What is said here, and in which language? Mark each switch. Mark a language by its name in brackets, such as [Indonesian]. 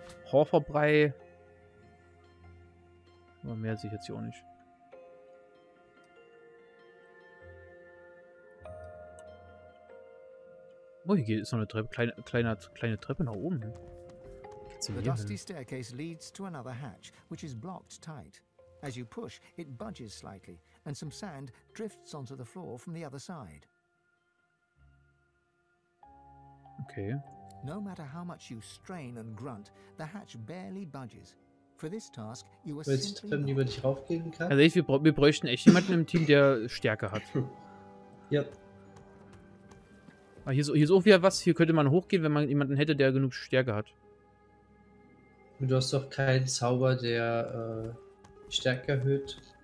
[German] Haferbrei. Aber mehr sehe ich jetzt hier auch nicht. Oh, hier ist noch eine Treppe, kleine Treppe nach oben. [English] The dusty staircase leads to another hatch, which is blocked tight. As you push, it budges slightly, and some sand drifts onto the floor from the other side. Okay. No matter how much you strain and grunt, the hatch barely budges. For this task, you are simply not. [German] Nicht raufgehen kann. Also wir bräuchten echt jemanden im Team, der Stärke hat. [English] Yep. [German] Ah, hier ist auch wieder was. Hier könnte man hochgehen, wenn man jemanden hätte, der genug Stärke hat. Du hast doch keinen Zauber, der Stärke erhöht.